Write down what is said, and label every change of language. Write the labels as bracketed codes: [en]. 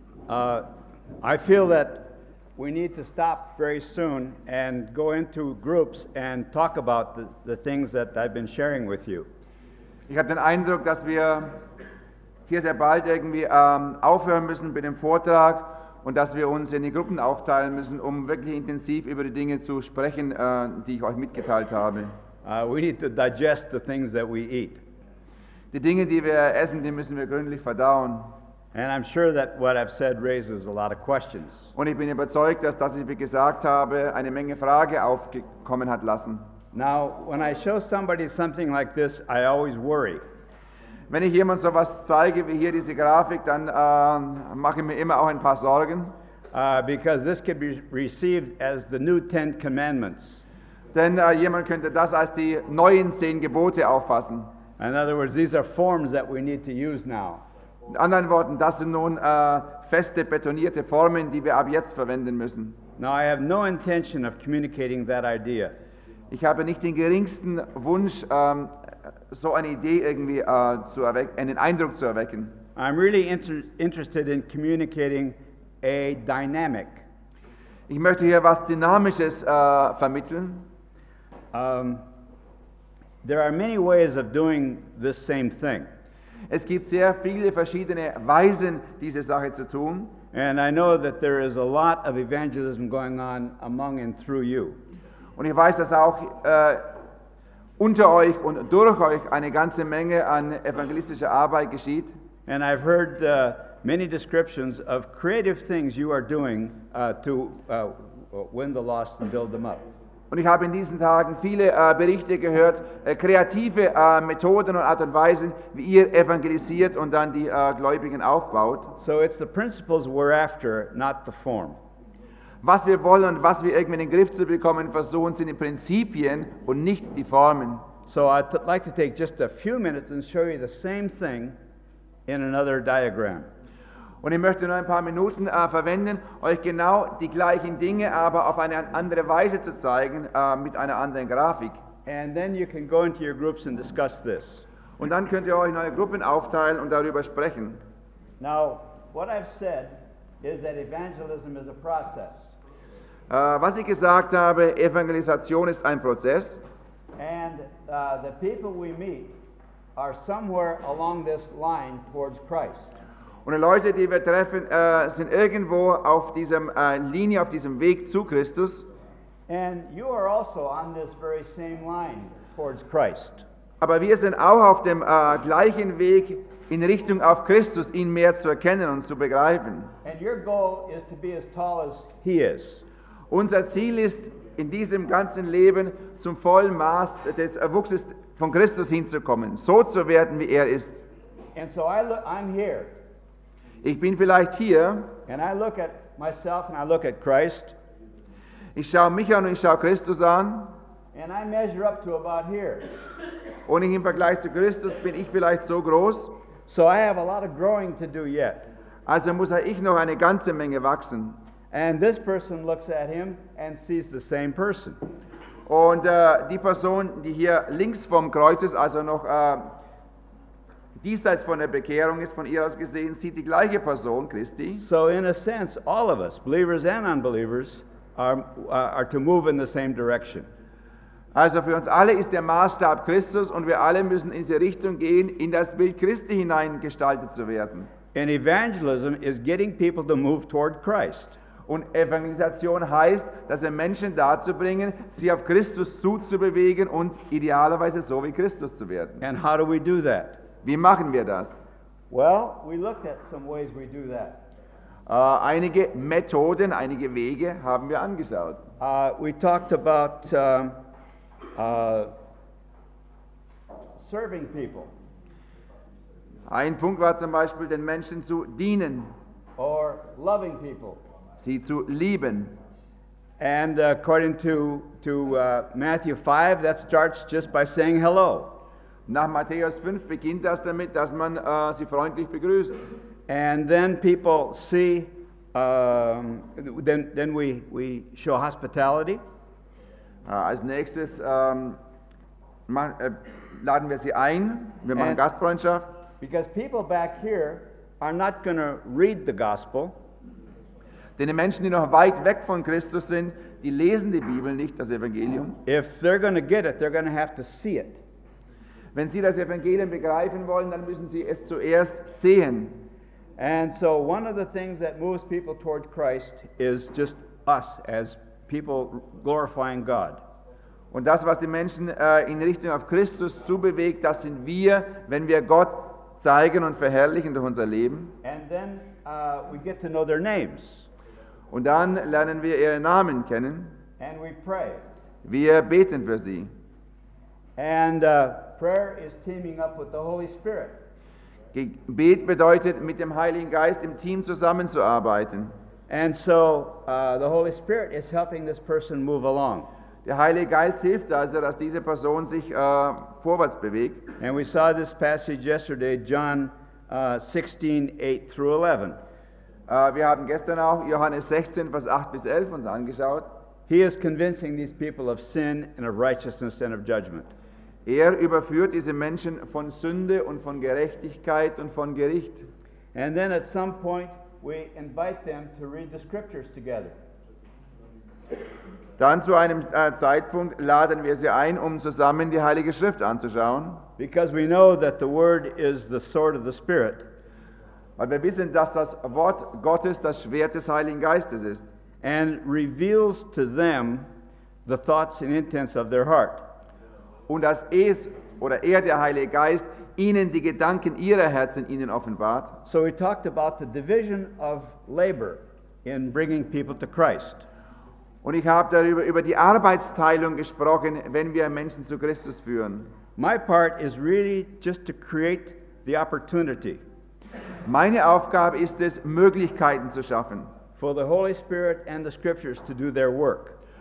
[en] I feel that we need to stop very soon and go into groups and talk about the things that I've been sharing with you. [de] Ich habe den Eindruck, dass wir hier sehr bald irgendwie aufhören müssen mit dem Vortrag und dass wir uns in die Gruppen aufteilen müssen, um wirklich intensiv über die Dinge zu sprechen, die ich euch mitgeteilt habe. [en] We need to digest the things that we eat. [de] Die Dinge, die wir essen, die müssen wir gründlich verdauen. [en] And I'm sure that what I've said raises a lot of questions. [de] Und ich bin überzeugt, dass das, was ich gesagt habe, eine Menge Frage aufgekommen hat lassen. [en] Now, when I show somebody something like this, I always worry. [de] Wenn ich jemand sowas zeige wie hier diese Grafik, dann mache ich mir immer auch ein paar Sorgen. [en] Because this could be received as the new Ten Commandments. [de] Denn jemand könnte das als die neuen 10 Gebote auffassen. [en] In other words, these are forms that we need to use now. [de] In anderen Worten, das sind nun feste, betonierte Formen, die wir ab jetzt verwenden müssen. [en] Now I have no intention of communicating that idea. [de] Ich habe nicht den geringsten Wunsch, so eine Idee irgendwie zu erwecken, einen Eindruck zu erwecken. [en] I'm really interested in communicating a dynamic. [de] Ich möchte hier was Dynamisches vermitteln. [en] There are many ways of doing this same thing. [de] Es gibt sehr viele verschiedene Weisen, diese Sache zu tun. [en] And I know that there is a lot of evangelism going on among and through you. [de] Und ich weiß, dass auch unter euch und durch euch eine ganze Menge an evangelistischer Arbeit geschieht. [en] And I've heard many descriptions of creative things you are doing to win the lost and build them up. [de] Und ich habe in diesen Tagen viele Berichte gehört, kreative Methoden und Art und Weisen, wie ihr evangelisiert und dann die Gläubigen aufbaut. [en] So it's the principles we're after, not the form. [de] Was wir wollen und was wir irgendwie in den Griff zu bekommen versuchen, sind die Prinzipien und nicht die Formen. [en] So I'd like to take just a few minutes and show you the same thing in another diagram. [de] Und ich möchte nur ein paar Minuten verwenden, euch genau die gleichen Dinge, aber auf eine andere Weise zu zeigen, mit einer anderen Grafik. [en] And then you can go into your groups and discuss this. [de] Und dann könnt ihr euch in eure Gruppen aufteilen und darüber sprechen. [en] Now, what I've said is that evangelism is a process. [de] Was ich gesagt habe, Evangelisation ist ein Prozess. [en] And the people we meet are somewhere along this line towards Christ. [de] Und die Leute, die wir treffen, sind irgendwo auf dieser Linie, auf diesem Weg zu Christus. [en] And you are also on this very same line towards Christ. [de] Aber wir sind auch auf dem gleichen Weg in Richtung auf Christus, ihn mehr zu erkennen und zu begreifen. [en] And your goal is to be as tall as he is. [de] Unser Ziel ist, in diesem ganzen Leben zum vollen Maß des Wuchses von Christus hinzukommen, so zu werden, wie er ist. [en] And so I'm here. [de] Ich bin vielleicht hier. [en] And I look at myself and I look at Christ. [de] Ich schaue mich an und ich schaue Christus an. [en] And I measure up to about here. [de] Und im Vergleich zu Christus bin ich vielleicht so groß. [en] So I have a lot of growing to do yet. [de] Also muss ich noch eine ganze Menge wachsen. [en] And this person looks at him and sees the same person. [de] Und die Person, die hier links vom Kreuz ist, also noch diesseits von der Bekehrung ist, von ihr aus gesehen, sieht die gleiche Person, Christi. [en] So in a sense, all of us, believers and unbelievers, are to move in the same direction. [de] Also für uns alle ist der Maßstab Christus und wir alle müssen in diese Richtung gehen, in das Bild Christi hineingestaltet zu werden. [en] And evangelism is getting people to move toward Christ. [de] Und Evangelisation heißt, dass wir Menschen dazu bringen, sie auf Christus zuzubewegen und idealerweise so wie Christus zu werden. [en] And how do we do that? [de] Wie machen wir das? [en] Well, we looked at some ways we do that. [de] Einige Methoden, einige Wege haben wir angeschaut. [en] We talked about serving people. [de] Ein Punkt war zum Beispiel, den Menschen zu dienen. [en] Or loving people. [de] Sie zu lieben. [en] And according to Matthew 5, that starts just by saying hello. [de] Nach Matthäus 5 beginnt das damit, dass man sie freundlich begrüßt. [en] And then people see, then we show hospitality. [de] Als nächstes laden wir sie ein, wir machen Gastfreundschaft. [en] Because people back here are not going to read the gospel. [de] Denn die Menschen, die noch weit weg von Christus sind, die lesen die Bibel nicht, das Evangelium. [en] If they're going to get it, they're going to have to see it. [de] Wenn sie das Evangelium begreifen wollen, dann müssen sie es zuerst sehen. [en] And so one of the things that moves people toward Christ is just us as people glorifying God. [de] Und das, was die Menschen in Richtung auf Christus zubewegt, das sind wir, wenn wir Gott zeigen und verherrlichen durch unser Leben. [en] And then we get to know their names. [de] Und dann lernen wir ihre Namen kennen. [en] And we pray. [de] Wir beten für sie. [en] And prayer is teaming up with the Holy Spirit. [de] Gebet bedeutet, mit dem Heiligen Geist im Team zusammenzuarbeiten. [en] And so the Holy Spirit is helping this person move along. [de] Der Heilige Geist hilft also, dass diese Person sich vorwärts bewegt. [en] And we saw this passage yesterday, John 16:8-11. [de] Wir haben gestern auch Johannes 16, Vers 8 bis 11 uns angeschaut. [en] He is convincing these people of sin and of righteousness and of judgment. [de] Er überführt diese Menschen von Sünde und von Gerechtigkeit und von Gericht. [en] And then at some point we invite them to read the scriptures together. [de] Dann zu einem Zeitpunkt laden wir sie ein, um zusammen die Heilige Schrift anzuschauen. [en] Because we know that the word is the sword of the Spirit. [de] Weil wir wissen, dass das Wort Gottes das Schwert des Heiligen Geistes ist. [en] And reveals to them the thoughts and intents of their heart. [de] Und dass es oder er, der Heilige Geist, ihnen die Gedanken ihrer Herzen ihnen offenbart. [en] So we talked about the division of labor in bringing people to Christ. [de] Und ich habe darüber über die Arbeitsteilung gesprochen, wenn wir Menschen zu Christus führen. [en] My part is really just to create the opportunity. [de] Meine Aufgabe ist es, Möglichkeiten zu schaffen. [en] For the Holy Spirit and the Scriptures to do their work.